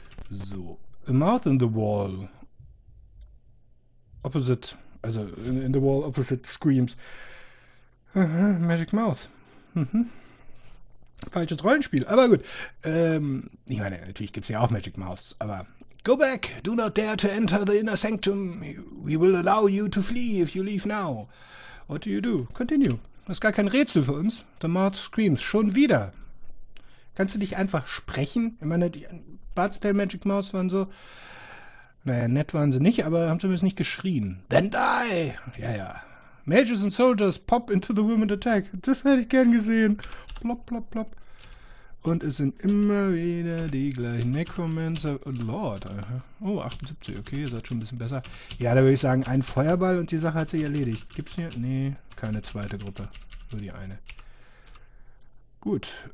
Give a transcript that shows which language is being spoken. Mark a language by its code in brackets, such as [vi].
[en] So. A mouth in the wall. Opposite, also in the wall opposite screams. Magic Mouth. [de] Falsches Rollenspiel, aber gut. Ich meine, natürlich gibt es ja auch Magic Mouths, aber... [en] Go back, do not dare to enter the inner sanctum. We will allow you to flee if you leave now. What do you do? Continue. [de] Das ist gar kein Rätsel für uns. [en] The Mouth screams, [de] schon wieder. Kannst du dich einfach sprechen? Ich meine, die Bardstale Magic Mouths waren so... Naja, nett waren sie nicht, aber haben zumindest nicht geschrien. [en] Then die! [de] Ja, ja. [en] Mages and soldiers pop into the room and attack. [de] Das hätte ich gern gesehen. Plop, plop, plop. Und es sind immer wieder die gleichen Necromancer. Oh Lord. Oh, 78. Okay, ist schon ein bisschen besser. Ja, da würde ich sagen, ein Feuerball und die Sache hat sich erledigt. Gibt's hier? Nee, keine zweite Gruppe. Nur die eine. Gut.